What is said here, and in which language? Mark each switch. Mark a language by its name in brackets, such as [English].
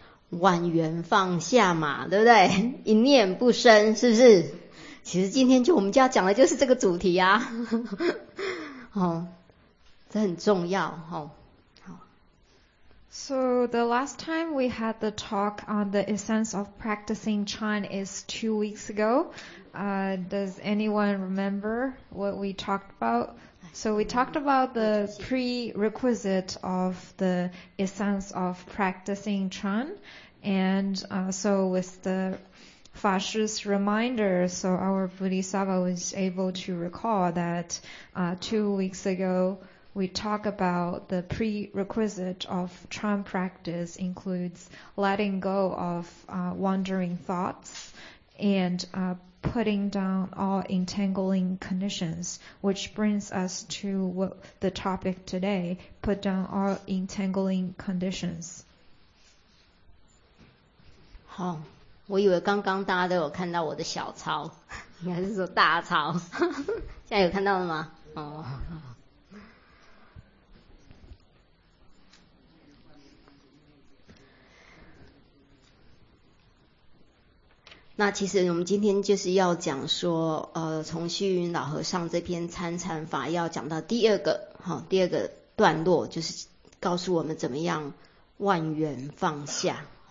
[Chinese] 万缘放下嘛，对不对？一念不生，是不是？其实今天就我们就要讲的就是这个主题啊，哦，这很重要，哦。 [English] So the last time we had the talk on the essence of practicing Chan is 2 weeks ago. Does anyone remember what we talked about? So we talked about the prerequisite of the essence of practicing Chan, and so with the Fashu's reminder, so our Bodhisattva was able to recall that 2 weeks ago. We talk about the prerequisite of Chan practice includes letting go of wandering thoughts and putting down all entangling conditions, which brings us to what the topic today, put down all entangling conditions. [Chinese] 好，我以为刚刚大家都有看到我的小抄，应该是说大抄，现在有看到了吗？哦，那其实我们今天就是要讲说，从虚云老和尚这篇参禅法要讲到第二个，第二个段落，就是告诉我们怎么样万缘放下，